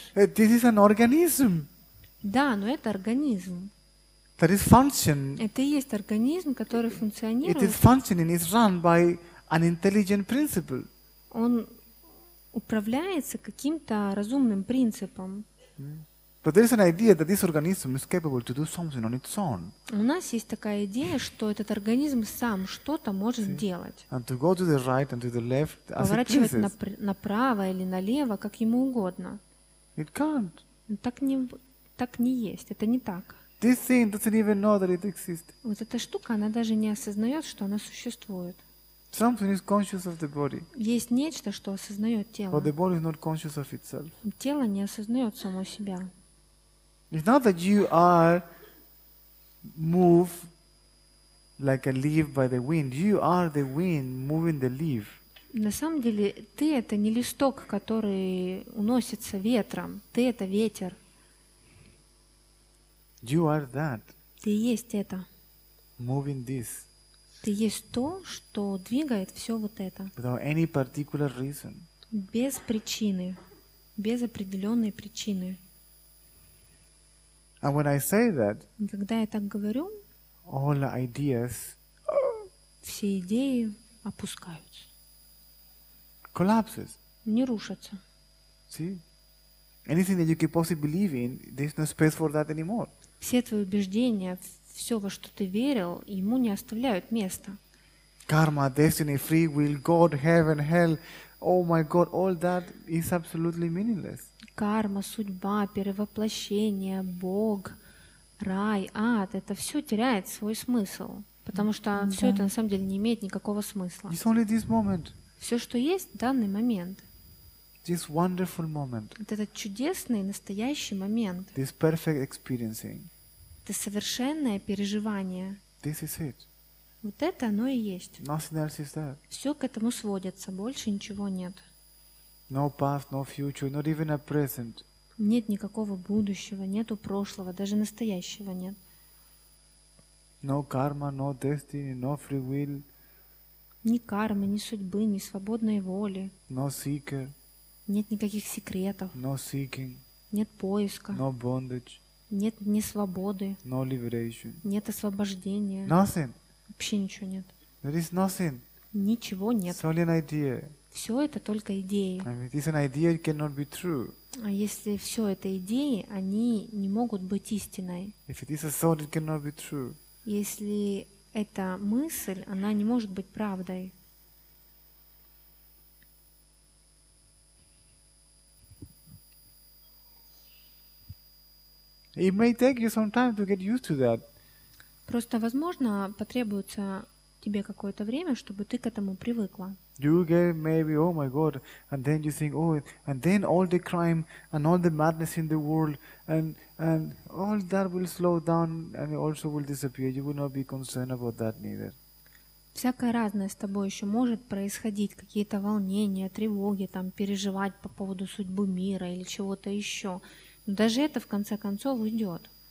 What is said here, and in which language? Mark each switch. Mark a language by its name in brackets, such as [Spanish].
[English] This is an organism. [Russian] Да, но это организм. [English] That is function. [Russian] Это и есть организм, который функционирует. [English] It is functioning. It's run by an intelligent principle. [Russian] Он управляется каким-то разумным принципом. [English] But there is an idea that this organism is capable to do something on its own. [Russian] У нас есть такая идея, что этот организм сам что-то может делать. [English] And to go to the right and to the left as it pleases. [Russian] Поворачивать направо или налево, как ему угодно. [English] It can't. [Russian] Так не есть, это не так. [English] This thing doesn't even know that it exists. [Russian] Вот эта штука, она даже не осознает, что она существует. [English] Something is conscious of the body. [Russian] Есть нечто, что осознает тело. [English] But the body is not conscious of itself. [Russian] Тело не осознает само себя. [English] It's not that you are moved like a leaf by the wind. You are the wind moving the leaf. [Russian] На самом деле, ты это не листок, который уносится ветром. Ты это ветер. [English] You are that. [Russian] Ты есть это. [English] Moving this. [Russian] Ты есть то, что двигает все вот это. [English] Without any particular reason. [Russian] Без причины. Без определенной причины. [English] And when I say that, [Russian] когда я так говорю, [English] all ideas, [Russian] все идеи опускаются. [English] Collapses. [Russian] Не рушатся. [English] See? Anything that you could possibly believe in, there's no space for that anymore. [Russian] Все твои убеждения, все, во что ты верил, ему не оставляют места. [English] Карма, destiny, free will, God, heaven, hell, oh my God, all that is absolutely meaningless. [Russian] Карма, судьба, перевоплощение, Бог, рай, ад, это все теряет свой смысл, потому что все это на самом деле не имеет никакого смысла. [English] It's only this moment. [Russian] Все, что есть, данный момент. [English] This wonderful moment. [Russian] Вот этот чудесный настоящий момент. [English] This perfect experiencing. [Russian] Это совершенное переживание. [English] This is it. [Russian] Вот это оно и есть. [English] Nothing else is there. [Russian] Все к этому сводится, больше ничего нет. [English] No past, no future, not even a present. [Russian] Нет никакого будущего, нету прошлого, даже настоящего нет. [English] No karma, no destiny, no free will. [Russian] Ни кармы, ни судьбы, ни свободной воли. [English] No seeker. [Russian] Нет никаких секретов. [English] No seeking. [Russian] Нет поиска. [English] No bondage. [Russian] Нет ни свободы. [English] No liberation. [Russian] Нет освобождения. [English] Nothing. [Russian] Вообще ничего нет. [English] There is nothing. [Russian] Ничего нет. [English] It's only an idea. [Russian] Все это только идеи. [English] I mean, it's an idea, it cannot be true. [Russian] А если все это идеи, они не могут быть истиной. [English] If it is a thought, it cannot be true. [Russian] Если это мысль, она не может быть правдой. [English] It may take you some time to get used to that. [Russian] Просто, возможно, потребуется тебе какое-то время, чтобы ты к этому привыкла. [English] You get maybe, oh my God, and then you think, oh, and then all the crime and all the madness in the world and all that will slow down and also will disappear. You will not be concerned about that neither. [Russian] Всякое разное с тобой еще может происходить, какие-то волнения, тревоги, там переживать по поводу судьбы мира или чего-то еще. Даже это в конце концов уйдет.